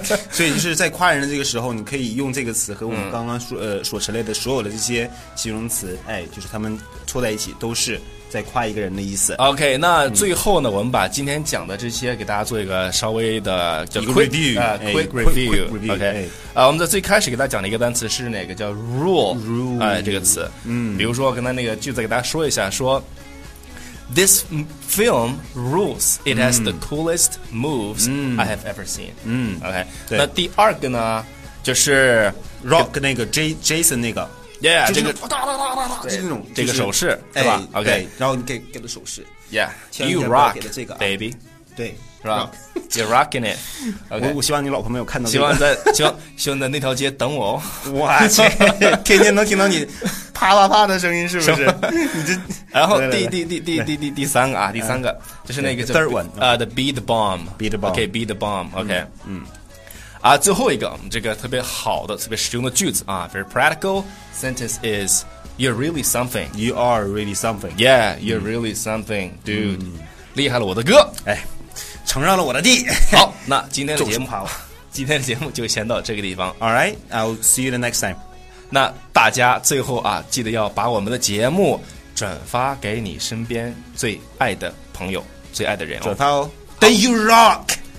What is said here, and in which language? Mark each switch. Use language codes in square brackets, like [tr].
[zh] 所以就是在夸人的这个时候，你可以用这个词和我们刚刚说所陈列的所有的这些形容词，哎，就是他们凑在一起都是在夸一个人的意思。 OK, 那最后呢，我们把今天讲的这些给大家做一个稍微的叫 [en] quick review. [zh] OK,、我们在最开始给大家讲的一个单词是哪个，叫 rule, 哎，这个词。比如说刚才那个句子给大家说一下，说 [en] This film rules, it has the coolest moves I have ever seen. OK, [zh] 对，那第二个呢就是 rock 那个 Jason 那个。 [en] Yeah, [zh] 就是、这个就是那种、就是、这个手势、哎、是吧 ？OK, 然后你给的手势 [en] ，Yeah, [zh] 给、这个、 [en] you rock, baby, [zh] 对 [en] ，rock, you're rocking it.、Okay. [zh] 我希望你老婆没有看到、这个，希望在那条街等我哦。我去，天天能听到你啪啪啪的声音，是不是？你这，然后第三个啊，第三个、就是那个 [en] third one, the beat the bomb, beat the bomb, OK, beat the bomb, OK, [zh] 嗯。最后一个这个特别好的特别实用的句子啊， [en] very practical sentence is You're really something. You are really something. Yeah, you're really something, dude. [zh] 厉害了我的哥，哎，承让了我的地。好，那今天的节目就先到这个地方。 [en] Alright, I'll see you the next time. [zh] 那大家最后啊，记得要把我们的节目转发给你身边最爱的朋友最爱的人、哦、转发哦 [en] Then you rock